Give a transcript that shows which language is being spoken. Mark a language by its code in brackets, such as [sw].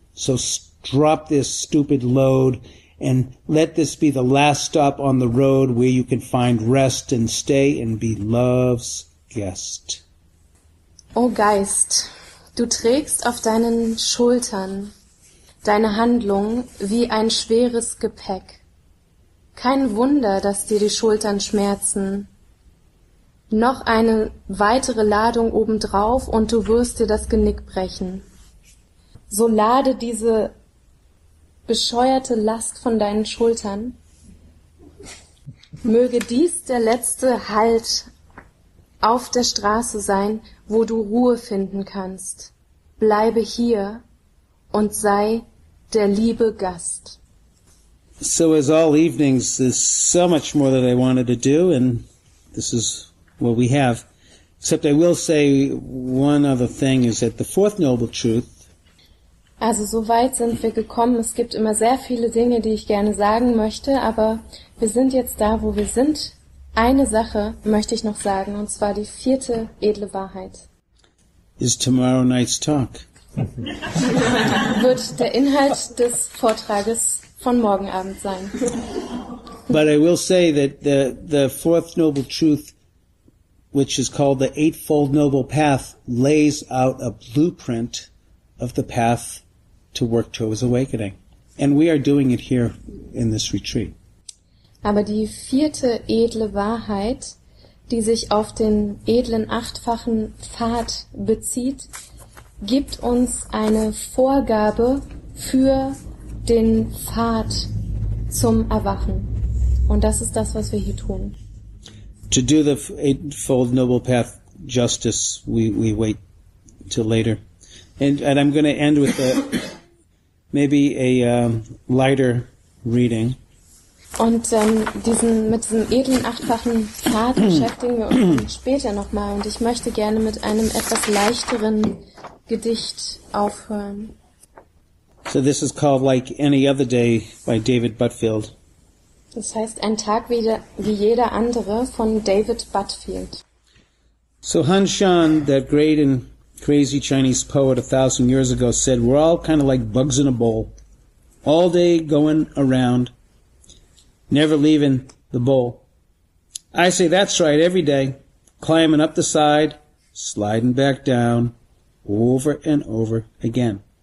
[en] So drop this stupid load and let this be the last stop on the road where you can find rest and stay and be love's guest. [de] O Geist, du trägst auf deinen Schultern deine Handlung wie ein schweres Gepäck. Kein Wunder, dass dir die Schultern schmerzen. Noch eine weitere Ladung obendrauf und du wirst dir das Genick brechen. So lade diese bescheuerte Last von deinen Schultern. Möge dies der letzte Halt auf der Straße sein, wo du Ruhe finden kannst. Bleibe hier und sei der liebe Gast. [en] So as all evenings, there's so much more that I wanted to do, and this is what we have. Except I will say one other thing is that the fourth noble truth. [de] Also so weit sind wir gekommen. Es gibt immer sehr viele Dinge, die ich gerne sagen möchte, aber wir sind jetzt da, wo wir sind. Eine Sache möchte ich noch sagen, und zwar die vierte edle Wahrheit. [en] Is tomorrow night's talk. [de] Wird der Inhalt des Vortrages von morgen Abend sein. [en] But I will say that the fourth noble truth, which is called the Eightfold Noble Path, lays out a blueprint of the path to work towards awakening. And we are doing it here in this retreat. [de] Aber die vierte edle Wahrheit, die sich auf den edlen achtfachen Pfad bezieht, gibt uns eine Vorgabe für den Pfad zum Erwachen. Und das ist das, was wir hier tun. [en] To do the Eightfold Noble Path justice, we wait till later. And I'm going to end with a lighter reading. [de] Und mit diesem edlen achtfachen Pfad beschäftigen wir uns später nochmal. Und ich möchte gerne mit einem etwas leichteren Gedicht aufhören. [en] So this is called Like Any Other Day by David Butfield. [de] Das heißt Ein Tag wie jeder andere von David Butfield. [en] So Han Shan, that great and crazy Chinese poet 1,000 years ago, said we're all kind of like bugs in a bowl, all day going around, never leaving the bowl. I say that's right, every day, climbing up the side, sliding back down, over and over again.